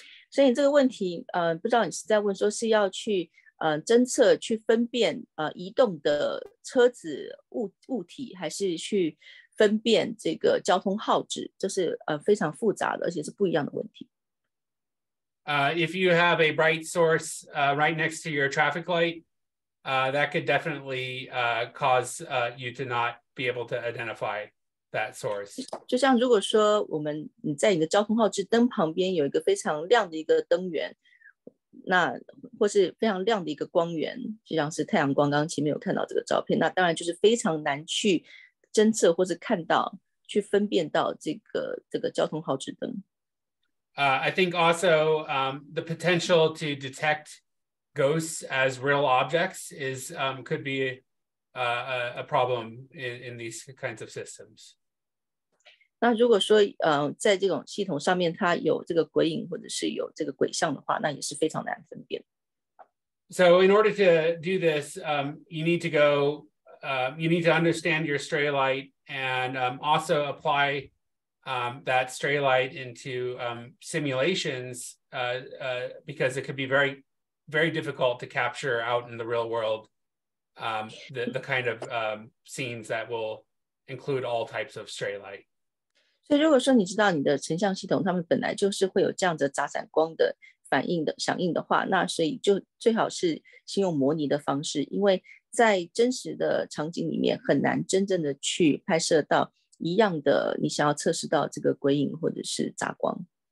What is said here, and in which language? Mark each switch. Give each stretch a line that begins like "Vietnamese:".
Chinese: 所以这个问题不知道你是在问说是要去侦测去分辨移动的车子物体，还是去分辨这个交通号志，这是非常复杂的，而且是不一样的问题。
English: If you have a bright source right next to your traffic light, that could definitely cause you to not be able to identify that source.
Chinese: 就像如果说我们你在你的交通号志灯旁边有一个非常亮的一个灯源。那或是非常亮的一个光源，就像是太阳光，刚刚前面有看到这个照片，那当然就是非常难去侦测或是看到，去分辨到这个交通号志灯。
English: I think also the potential to detect ghosts as real objects is could be a problem in these kinds of systems.
Chinese: 那如果说在这种系统上面它有这个鬼影或者是有这个鬼像的话，那也是非常难分辨。
English: So in order to do this, you need to go, you need to understand your stray light and also apply that stray light into simulations because it could be very, very difficult to capture out in the real world the kind of scenes that will include all types of stray light.
Chinese: 所以如果说你知道你的成像系统他们本来就是会有这样的杂散光的反应的响应的话，那所以就最好是先用模拟的方式，因为在真实的场景里面很难真正的去拍摄到一样的你想要测试到这个鬼影或者是杂光。